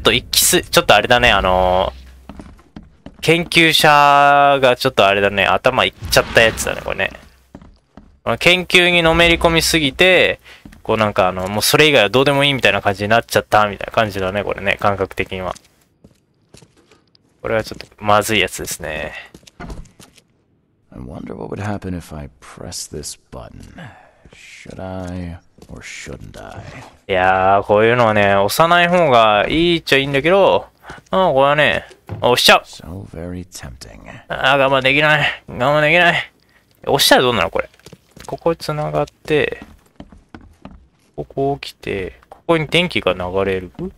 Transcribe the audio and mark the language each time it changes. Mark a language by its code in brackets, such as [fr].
[ja] ちょっとあれだね、研究者がちょっとあれだね、頭いっちゃったやつだね、これね。研究にのめり込みすぎて、こうなんかもうそれ以外はどうでもいいみたいな感じになっちゃったみたいな感じだね、これね、感覚的には。これはちょっとまずいやつですね。 [en] I wonder what would happen if I press this button. Should I or shouldn't I? [ja] いやー、こういうのはね、押さない方がいいっちゃいいんだけど、ああ、これはね、押しちゃう。 [en] So very tempting. [ja] ああ、我慢できない。押したらどうなのこれ。ここつながって、ここ起きて、ここに電気が流れる。